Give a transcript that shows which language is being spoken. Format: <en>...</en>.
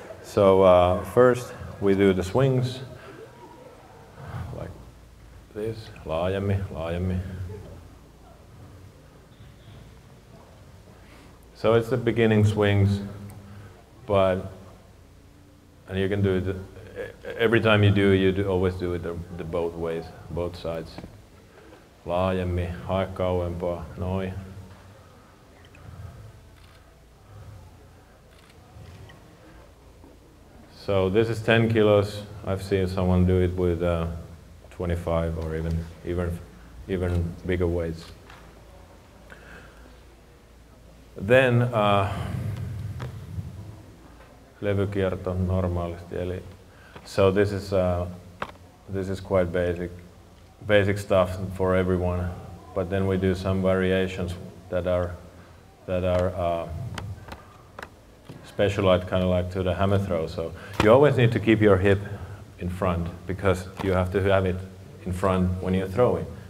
<en>So first we do the swings like this,</en> <fi>laajemmin.</fi> <en>So it's the beginning swings, and you can do it every time you always do it the both ways, both sides.</en> <fi>Laajemmin, hae kauempaa, noin.</fi> <en>So this is 10 kilos. I've seen someone do it with 25 or even bigger weights. Then</en> <fi>levykierto normaalisti.</fi> <en>Eli so this is quite basic stuff for everyone. But then we do some variations that are specialized kind of like to the hammer throw. So you always need to keep your hip in front because you have to have it in front when you're throwing.</en>